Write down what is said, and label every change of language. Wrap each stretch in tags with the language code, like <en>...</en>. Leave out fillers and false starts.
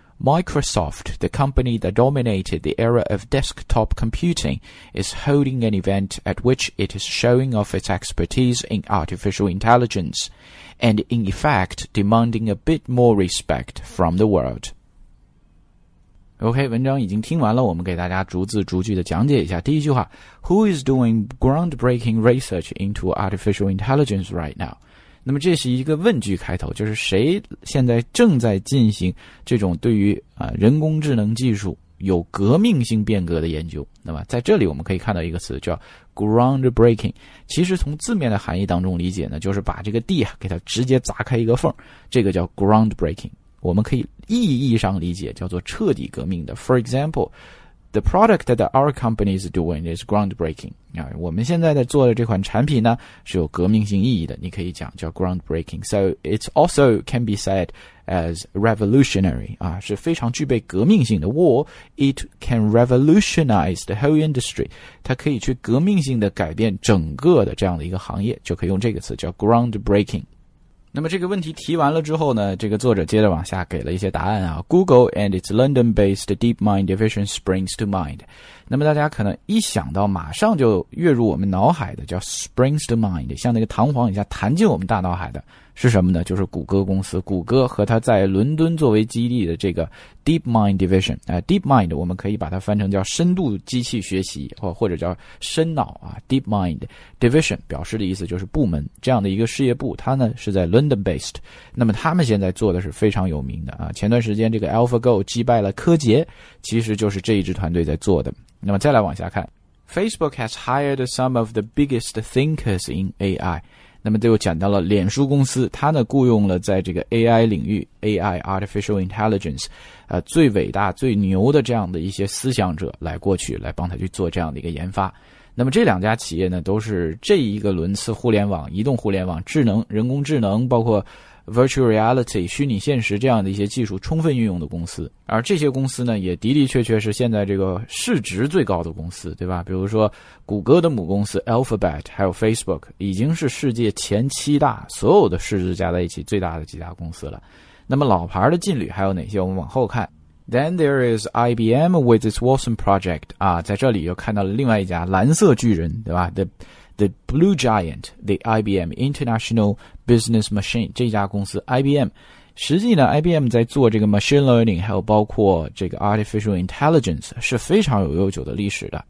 <en>Microsoft, the company that dominated the era of desktop computing, is holding an event at which it is showing off its expertise in artificial intelligence, and in effect demanding a bit more respect from the world.</en> <zh>OK, 文章已经听完了，我们给大家逐字逐句的讲解一下。第一句话，</zh> <en>Who is doing groundbreaking research into artificial intelligence right now?</en> <zh>那么这是一个问句开头，就是谁现在正在进行这种对于人工智能技术有革命性变革的研究。那么在这里我们可以看到一个词叫 groundbreaking， 其实从字面的含义当中理解呢，就是把这个地啊给它直接砸开一个缝，这个叫 groundbreaking。我们可以意义上理解叫做彻底革命的。</zh> <en>For example, the product that our company is doing is groundbreaking.</en> <zh>我们现在在做的这款产品呢是有革命性意义的，你可以讲叫 groundbreaking.</zh> <en>So it also can be said as revolutionary,</en> <zh>是非常具备革命性的。</zh> <en>War, it can revolutionize the whole industry.</en> <zh>它可以去革命性的改变整个的这样的一个行业，就可以用这个词叫 groundbreaking. 那么这个问题提完了之后呢，这个作者接着往下给了一些答案啊。</zh> <en>Google and its London-based DeepMind division springs to mind.</en> <zh>那么大家可能一想到马上就跃入我们脑海的叫 springs to mind, 像那个弹簧一下弹进我们大脑海的是什么呢？就是谷歌公司，谷歌和它在伦敦作为基地的这个 DeepMind division。 DeepMind 我们可以把它翻成叫深度机器学习，或者叫深脑啊。 DeepMind division 表示的意思就是部门，这样的一个事业部，它呢是在 London based。那么他们现在做的是非常有名的啊。前段时间这个 AlphaGo 击败了柯洁，其实就是这一支团队在做的。那么再来往下看</zh> <en>，Facebook has hired some of the biggest thinkers in AI。</en> <zh>那么就讲到了脸书公司，它呢雇佣了在这个 AI 领域 AI Artificial Intelligence 最伟大最牛的这样的一些思想者来过去，来帮他去做这样的一个研发。那么这两家企业呢都是这一个轮次互联网移动互联网智能人工智能包括 Virtual Reality 虚拟现实这样的一些技术充分运用的公司，而这些公司呢也的的确确是现在这个市值最高的公司，对吧？比如说谷歌的母公司 Alphabet 还有 Facebook 已经是世界前七大所有的市值加在一起最大的几家公司了。那么老牌的劲旅还有哪些，我们往后看。</zh> <en>Then there is IBM with its Watson project.</en> <zh>啊，在这里又看到了另外一家蓝色巨人，对吧？</zh> <en>The Blue Giant, the IBM International Business Machine.</en> <zh>这家公司 IBM, 实际呢 ，IBM 在做这个 machine learning， 还有包括这个 artificial intelligence 是非常有悠久的历史的。</zh>